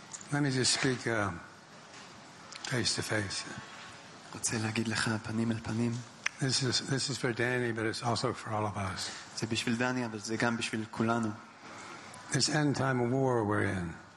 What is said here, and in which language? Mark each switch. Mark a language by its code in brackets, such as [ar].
[en] Let me just speak face to face. [he] רוצה להגיד לך פנים אל פנים. [en] This is for Danny, but it's also for all of us. [he] זה בשביל דני, אבל זה גם בשביל כולנו. [en] This end time war we're in.